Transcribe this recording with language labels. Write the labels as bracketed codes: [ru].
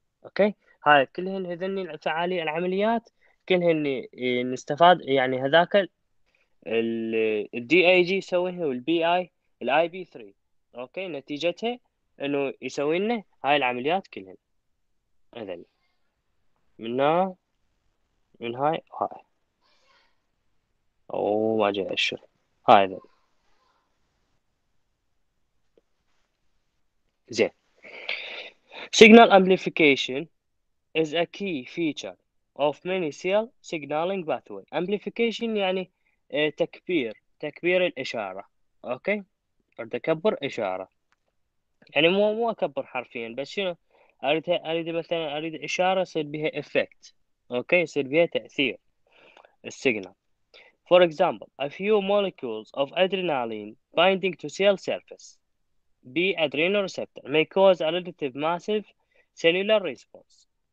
[ar] اوكي هاي كلهن هذني الفعالية العمليات كلهن نستفاد، يعني هذاك ال دي اي جي يسويه والبي اي الاي بي 3 اوكي نتيجتها انه يسوي لنا هاي العمليات كلهن هذني من هنا من هاي هاي او ما جاي اشر هاي ذلي. [en] زين signal amplification is a key feature of many cell signaling pathway. [ar] Amplification يعني تكبير، تكبير الإشارة. أوكي؟ أريد أكبر إشارة. يعني مو أكبر حرفياً، بس شنو؟ أريد مثلاً أريد إشارة يصير بها effect. [en] Okay? [ar] يصير بها تأثير. [en] Signal. For example, a few molecules of adrenaline binding to cell surface B adrenoreceptor may cause a relative massive cellular response.